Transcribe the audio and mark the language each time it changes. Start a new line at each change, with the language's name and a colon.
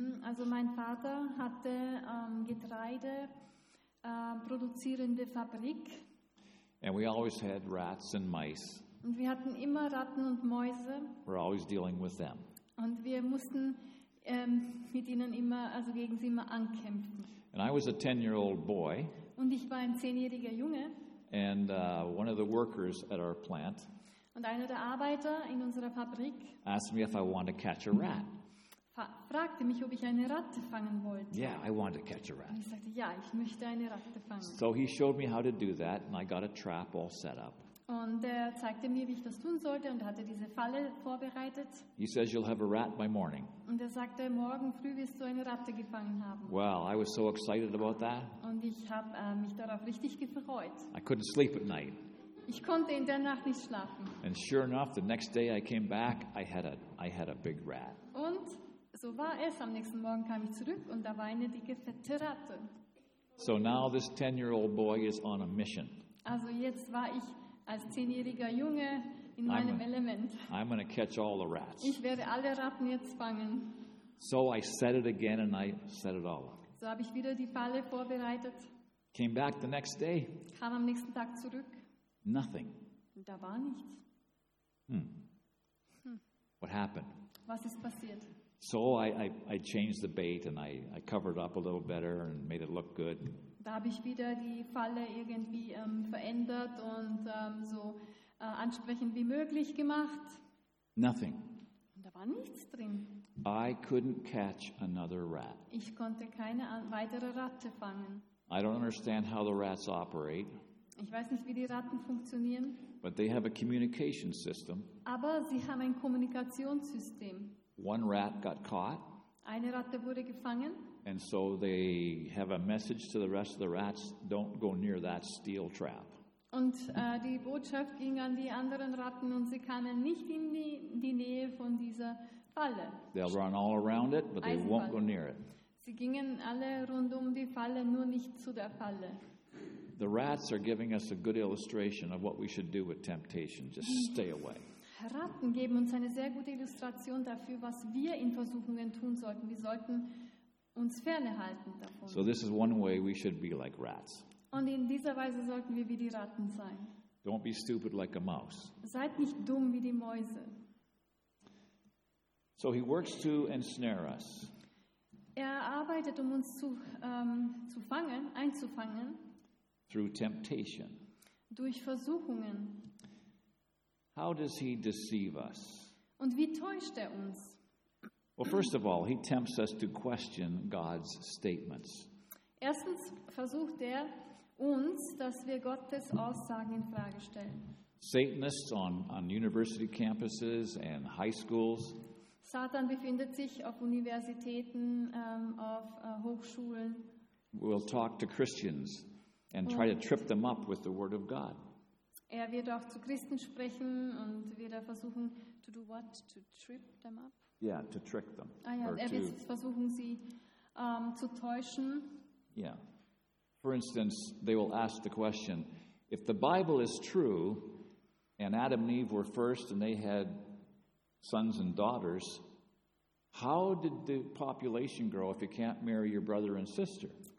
German: Also mein Vater hatte Getreide produzierende Fabrik.
English: And we always had rats and mice.
German: Und wir hatten immer Ratten und Mäuse.
English: We're always dealing with them.
German: Und wir mussten mit ihnen immer, also gegen sie immer ankämpfen.
English: And I was a 10-year-old boy.
German: Und ich war ein 10-jähriger Junge.
English: And one of the workers at our plant.
German: Und einer der Arbeiter in unserer Fabrik.
English: Asked me if I wanted to catch a rat.
German: Fragte mich, ob ich eine Ratte fangen wollte.
English: Yeah, I wanted to catch a rat.
German: Und ich sagte, ja, ich möchte eine Ratte fangen.
English: So he showed me how to do that, and I got a trap all set up.
German: Und er zeigte mir, wie ich das tun sollte, und hatte diese Falle vorbereitet.
English: He says you'll have a rat by morning.
German: Und er sagte, morgen früh wirst du eine Ratte gefangen haben.
English: Well, I was so excited about that.
German: Und ich habe mich darauf richtig gefreut.
English: I couldn't sleep at night.
German: Ich konnte in der Nacht nicht schlafen.
English: And sure enough, the next day I came back, I had a big rat.
German: Und so war es. Am nächsten Morgen kam ich zurück und da war eine dicke, fette Ratte.
English: So now this 10-year-old boy is on a mission.
German: Also jetzt war ich als 10-jähriger Junge in meinem Element.
English: I'm going to catch all the rats.
German: Ich werde alle Ratten jetzt fangen.
English: So I set it again and I set it all up.
German: So habe ich wieder die Falle vorbereitet.
English: Came back the next day.
German: Kam am nächsten Tag zurück.
English: Nothing.
German: Da war nichts.
English: What happened?
German: Was ist passiert?
English: So I changed the bait and I covered up a little better and made it look good.
German: Da habe ich wieder die Falle irgendwie verändert und ansprechend wie möglich gemacht.
English: Nothing.
German: Und da war nichts drin.
English: I couldn't catch another rat.
German: Ich konnte keine weitere Ratte fangen.
English: I don't understand how the rats operate.
German: Ich weiß nicht, wie die Ratten funktionieren.
English: But they have a communication system.
German: Aber sie haben ein Kommunikationssystem.
English: One rat got caught.
German: Eine Ratte wurde gefangen.
English: And so they have a message to the rest of the rats, don't go near that steel trap.
German: Und die Botschaft ging an die anderen Ratten und sie kamen nicht in die Nähe von dieser Falle.
English: They'll run all around it, but they won't go near it.
German: Sie gingen alle rund um die Falle, nur nicht zu der Falle.
English: The rats are giving us a good illustration of what we should do with temptation. Just stay away.
German: Ratten geben uns eine sehr gute Illustration dafür, was wir in Versuchungen tun sollten. Wir sollten uns ferne halten davon.
English: So this is one way we should be like rats.
German: Und in dieser Weise sollten wir wie die Ratten sein.
English: Don't be stupid like a mouse.
German: Seid nicht dumm wie die Mäuse.
English: So he works to ensnare us.
German: Er arbeitet, um uns zu fangen, einzufangen.
English: Through temptation.
German: Durch Versuchungen.
English: How does he deceive us?
German: Und wie täuscht er uns?
English: Well, first of all, he tempts us to question God's statements.
German: Erstens versucht er uns, dass wir Gottes Aussagen in Frage stellen.
English: Satanists on university campuses and high schools.
German: Satan befindet sich auf Universitäten, auf Hochschulen.
English: We'll talk to Christians and try to trip them up with the Word of God.
German: Er wird auch zu Christen sprechen und wird er versuchen,
English: to do what? To trip them up? Yeah, to trick them.
German: Ah ja, er wird versuchen, sie zu täuschen.
English: Yeah. For instance, they will ask the question, if the Bible is true, and Adam and Eve were first, and they had sons and daughters, how did the population grow if you can't marry your brother and sister?